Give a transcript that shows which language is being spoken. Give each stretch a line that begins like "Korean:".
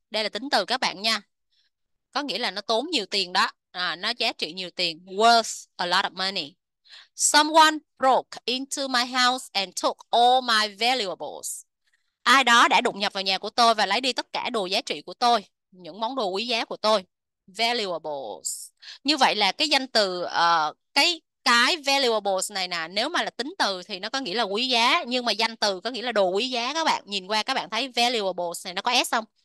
Vietnamese: Đây là tính từ các bạn nha. Có nghĩa là nó tốn nhiều tiền đó. À, nó giá trị nhiều tiền.
English: Worth a lot of money. Someone broke into my house and took all my valuables.
Vietnamese: Ai đó đã đột nhập vào nhà của tôi và lấy đi tất cả đồ giá trị của tôi. Những món đồ quý giá của tôi. Valuables. Như vậy là cái danh từ, cái valuables này nè, nếu mà là tính từ thì nó có nghĩa là quý giá. Nhưng mà danh từ có nghĩa là đồ quý giá các bạn. Nhìn qua các bạn thấy valuables này nó có S không?